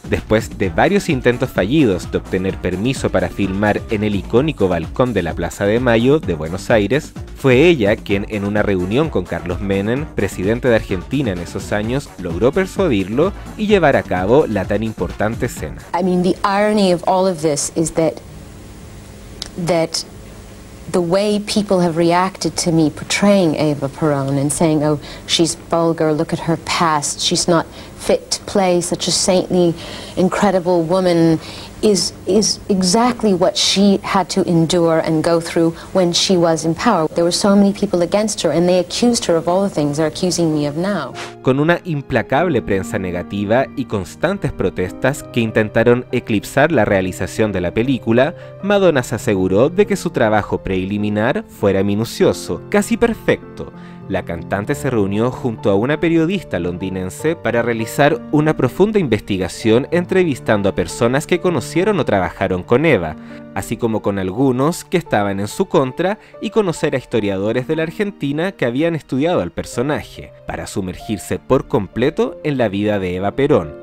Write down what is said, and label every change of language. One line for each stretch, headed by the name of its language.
Spanish: Después de varios intentos fallidos de obtener permiso para filmar en el icónico balcón de la Plaza de Mayo de Buenos Aires, fue ella quien en una reunión con Carlos Menem, presidente de Argentina en esos años, logró persuadirlo y llevar a cabo la tan importante escena.
English: I mean, the irony of all of this is that the way people have reacted to me portraying Eva Perón and saying, oh, she's vulgar, look at her past, she's not fit to play such a saintly, incredible woman, is exactly what she had to endure and go through when she was in power. There were so many people against her and they accused her of all the things they're accusing me of now.
Spanish: Con una implacable prensa negativa y constantes protestas que intentaron eclipsar la realización de la película, Madonna se aseguró de que su trabajo preliminar fuera minucioso, casi perfecto. La cantante se reunió junto a una periodista londinense para realizar una profunda investigación entrevistando a personas que conocieron o trabajaron con Eva, así como con algunos que estaban en su contra y conocer a historiadores de la Argentina que habían estudiado al personaje, para sumergirse por completo en la vida de Eva Perón.